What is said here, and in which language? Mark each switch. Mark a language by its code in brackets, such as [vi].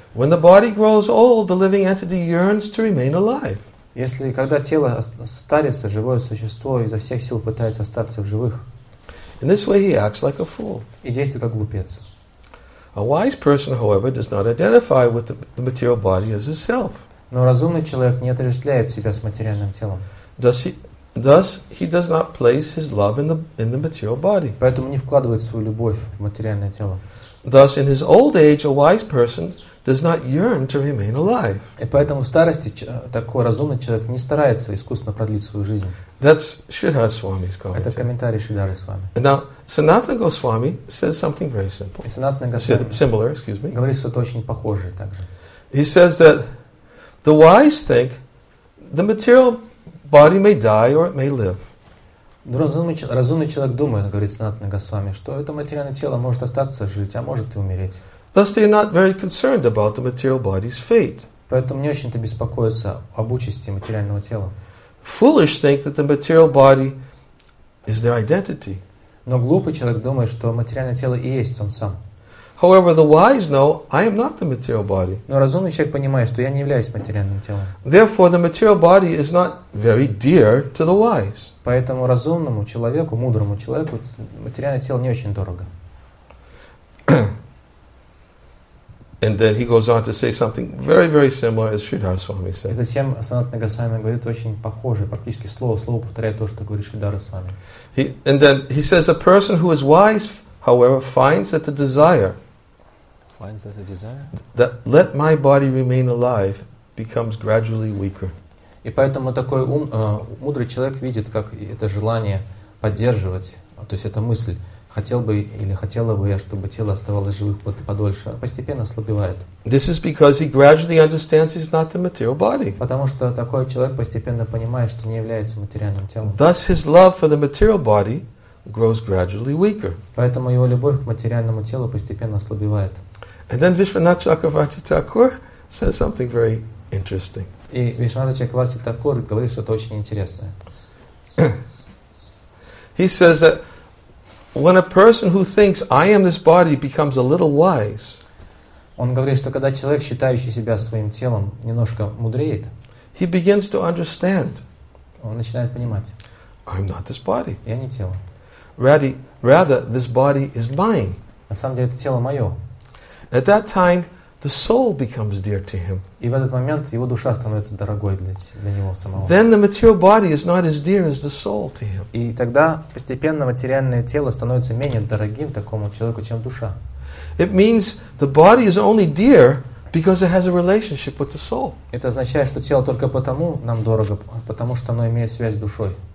[en] When the body grows old, the living entity yearns to remain alive. [ru] Если когда тело старится, живое существо изо всех сил пытается остаться в живых. [en] In this way, he acts like a fool. [ru] И действует как глупец. [en] A wise person, however, does not identify with the material body as itself. [ru] Но разумный человек не отождествляет себя с материальным телом. [en] Thus he does not place his love in the material body. [ru] Поэтому не вкладывает свою любовь в материальное тело. [en] Thus, in his old age, a wise person does not yearn to remain alive. [ru] И поэтому в старости такой разумный человек не старается искусственно продлить свою жизнь. [en] That's Shridhara Swami's commentary. [ru] Это комментарий Шридхары Свами. [en] Now, Sanatana Goswami says something very simple. [ru] И Санатана Госвами [en] similar, excuse me. [ru] Говорит что-то очень похожее также. [en] He says that the wise think the material body may die or it may live. [ru] Разумный человек думает, говорит Санатана Госвами, что это материальное тело может остаться жить, а может и умереть. [en] Thus they are not very concerned about the material body's fate. [ru] Поэтому не очень-то беспокоятся об участи материального тела. [en] Foolish think that the material body is their identity. [ru] Но глупый человек думает, что материальное тело и есть он сам. [en] However, the wise know I am not the material body. [ru] Но разумный человек понимает, что я не являюсь материальным телом. [en] Therefore, the material body is not very dear to the wise. [ru] Поэтому разумному человеку, мудрому человеку, материальное тело не очень дорого. [en] And then he goes on to say something very, very similar as Shridhara Swami said. [ru] И затем Санатана Госвами говорит очень похожее, практически слово повторяет то, что говорит Шридхара Свами. [en] And then he says, a person who is wise, however, finds that the desire that let my body remain alive becomes gradually weaker. [ru] И поэтому такой мудрый человек видит, как это желание поддерживать, то есть эта мысль. Хотел бы или хотела бы я, чтобы тело оставалось живым подольше, постепенно ослабевает. [en] This is because he gradually understands he's not the material body. [ru] Потому что такой человек постепенно понимает, что не является материальным телом. [en] Thus his love for the material body grows gradually weaker. [ru] Поэтому его любовь к материальному телу постепенно ослабевает. [en] And then Vishwanath Chakravarti Thakur says something very interesting. [ru] И Вишванатха Чакравати Такур говорит что-то очень интересное. [en] He says that when a person who thinks I am this body becomes a little wise, [ru] он говорит, что когда человек, считающий себя своим телом, немножко мудреет, [en] he begins to understand. [ru] Он начинает понимать. [en] I'm not this body. [ru] Я не тело. [en] Rather, this body is mine. [ru] На самом деле, это тело мое. [en] At that time, the soul becomes dear to him. [ru] И в этот момент его душа становится дорогой для него самого. [en] Then the material body is not as dear as the soul to him. [ru] И тогда постепенно материальное тело становится менее дорогим такому человеку, чем душа. [en] It means the body is only dear because it has a relationship with the soul. [ru] Это означает, что тело только потому нам дорого, потому что оно имеет связь с душой.